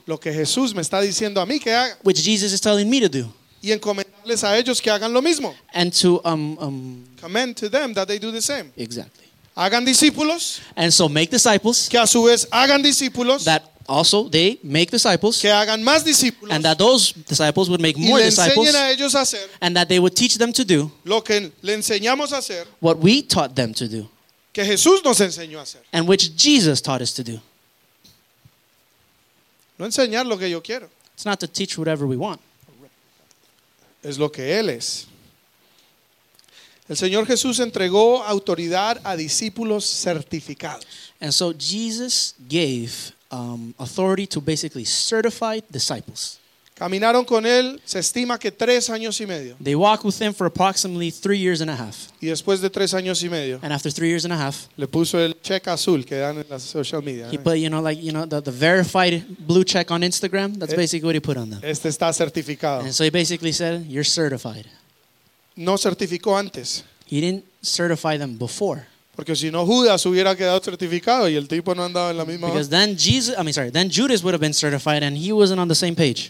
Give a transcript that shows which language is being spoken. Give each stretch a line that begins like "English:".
Spanish: Lo que Jesús me está diciendo a mí que haga.
English: Which Jesus is telling me to do.
Spanish: Y encomendarles a ellos que hagan lo mismo.
English: And to commend to them that they do the same. Exactly.
Spanish: Hagan discípulos.
English: And so make disciples.
Spanish: Que a su vez hagan discípulos.
English: That also they make disciples.
Spanish: Que hagan más discípulos.
English: And that those disciples would make more disciples.
Spanish: Y le enseñen a ellos a hacer.
English: And that they would teach them to do.
Spanish: Lo que le enseñamos a hacer.
English: What we taught them to do.
Spanish: Que Jesús nos enseñó a hacer.
English: And which Jesus taught us to do.
Spanish: No enseñar lo que yo quiero.
English: It's not to teach whatever we want.
Spanish: Es lo que él es. El Señor Jesús entregó autoridad a discípulos certificados.
English: And so Jesus gave authority to basically certified disciples.
Spanish: Caminaron con él, se estima que 3 años y medio.
English: They walked with him for approximately 3 years and a half.
Spanish: Y después de 3 años y medio.
English: And after 3 years and a half.
Spanish: Le puso el cheque azul que dan en las
English: social media. He put, the verified blue check on Instagram. That's basically what he put on them.
Spanish: Este está certificado.
English: And so he basically said, you're certified.
Spanish: No certificó antes.
English: He didn't certify them before.
Spanish: Porque si no Judas hubiera quedado certificado y el tipo no andaba en la misma.
English: Because then Jesus, then Judas would have been certified and he wasn't on the same page.